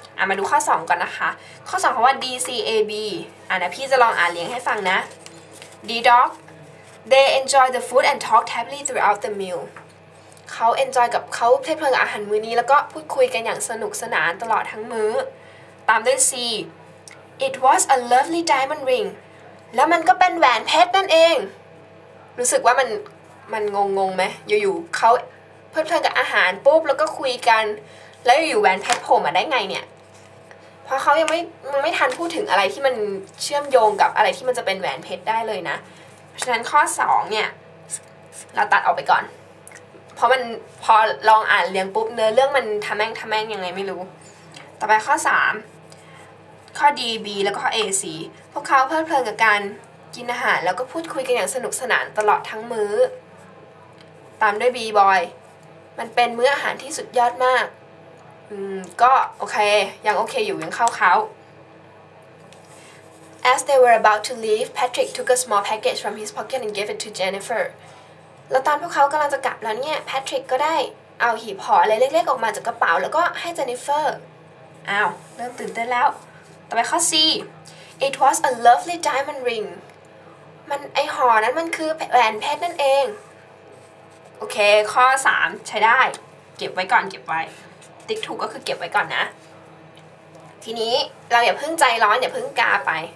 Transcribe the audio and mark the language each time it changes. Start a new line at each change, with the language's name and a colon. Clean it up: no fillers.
Thai: มาดูข้อ2ก่อนนะคะข้อ2เขาว่า d c a b นะพี่จะลองอ่านเรียงให้ฟังนะ
English: D dog, they enjoy the food and talk happily throughout the meal.
Thai: เขา enjoy กับเขาเพลิดเพลินกับอาหารมื้อนี้แล้วก็พูดคุยกันอย่างสนุกสนานตลอดทั้งมื้อตามด้วย C.
English: It was a lovely diamond ring.
Thai: แล้วมันก็เป็นแหวนเพชรนั่นเองรู้สึกว่ามันงงไหมอยู่ๆเขาเพลิดเพลินกับอาหารปุ๊บแล้วก็คุยกันแล้วอยู่แหวนเพชรโผล่มาได้ไงเนี่ยเพราะเขายังไม่ทันพูดถึงอะไรที่มันเชื่อมโยงกับอะไรที่มันจะเป็นแหวนเพชรได้เลยนะเพราะฉะนั้นข้อ2เนี่ย เราตัดออกไปก่อนเพราะมันพอลองอ่านเรียงปุ๊บเนื้อเรื่องมันทะแม่งยังไงไม่รู้ต่อไปข้อ3ข้อ D B แล้วก็ข้อ A C พวกเขาเพลิดเพลินกับการกินอาหารแล้วก็พูดคุยกันอย่างสนุกสนานตลอดทั้งมื้อตามด้วย B Boy มันเป็นมื้ออาหารที่สุดยอดมากก็โอเคยังโอเคอยู่ยังเข้าเขา
English: As they were about to leave, Patrick took a small package from his pocket and gave it to Jennifer.
Thai: แล้วตอนพวกเขากำลังจะกลับแล้วเนี่ย Patrick ก็ได้เอาหีบห่ออะไรเล็กๆออกมาจากกระเป๋าแล้วก็ให้ Jennifer. อ้าวเริ่มตื่นเต้นแล้วต่อไปข้อ C.
English: It was a lovely diamond ring.
Thai: มันไอห่อนั้นมันคือแหวนเพชรนั่นเองโอเคข้อ3ใช้ได้เก็บไว้ติ๊กถูกก็คือเก็บไว้ก่อนนะทีนี้เราอย่าเพิ่งใจร้อนอย่าเพิ่งกาไป